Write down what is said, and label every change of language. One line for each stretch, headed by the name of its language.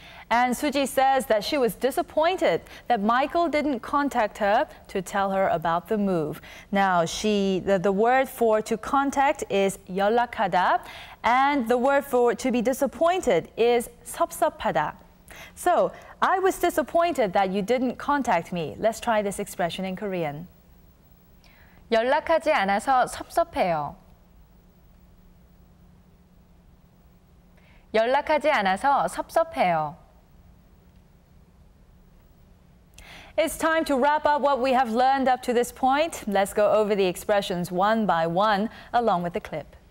English: And Suji says that she was disappointed that Michael didn't contact her to tell her about the move. Now, the word for to contact is 연락하다, and the word for to be disappointed is 섭섭하다. So, I was disappointed that you didn't contact me. Let's try this expression in Korean.
Korean: 연락하지 않아서 섭섭해요. 연락하지 않아서 섭섭해요.
English: It's time to wrap up what we have learned up to this point. Let's go over the expressions one by one, along with the clip.